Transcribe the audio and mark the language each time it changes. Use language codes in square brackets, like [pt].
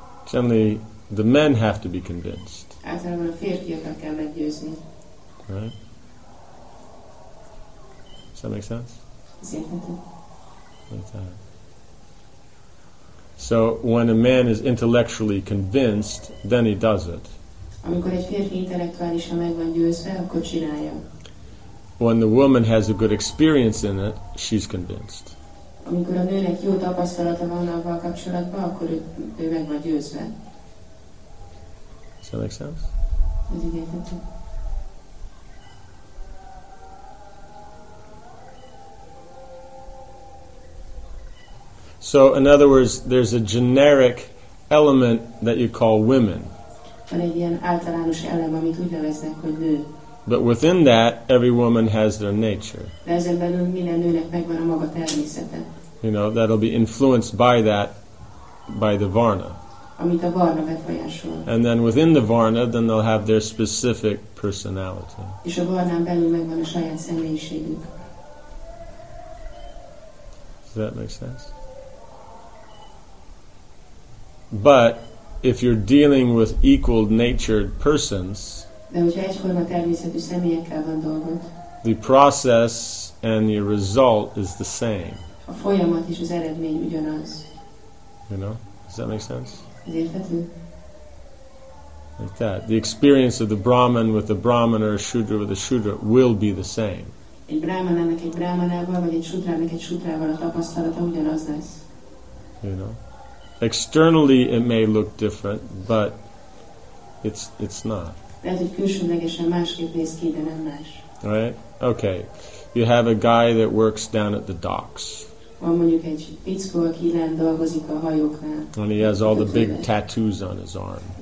[en] Generally, the men have to be convinced. Right? Does that make sense? Like that. So when a man is intellectually convinced, then he does it. [hu] Amikor egy férfi intellektuálisan meg van győzve, akkor csinálja. [en] When the woman has a good experience in it, she's convinced. [hu] Amikor a nőnek jó tapasztalata van abban a kapcsolatban, akkor ő meg van győzve. [en] Does that make sense? [hu] Ez így érthető. [en] So, in other words, there's a generic element that you call women. But within that, every woman has their nature. You know, that'll be influenced by that, by the varna. And then within the varna, then they'll have their specific personality. Does that make sense? But if you're dealing with equal natured persons, the process and the result is the same. [hu] A folyamat és az eredmény ugyanaz. [en] You know? Does that make sense? Like that. The experience of the Brahman with the Brahman or a Shudra with a Shudra will be the same. [hu] Egy Brahmanának egy Brahmanával, vagy egy Shudrának egy Shudrával a tapasztalata ugyanaz lesz. [en] You know? Externally, it may look different, but it's not. Right? Okay. You have a guy that works down at the docks. And he has all the big tattoos on his arm.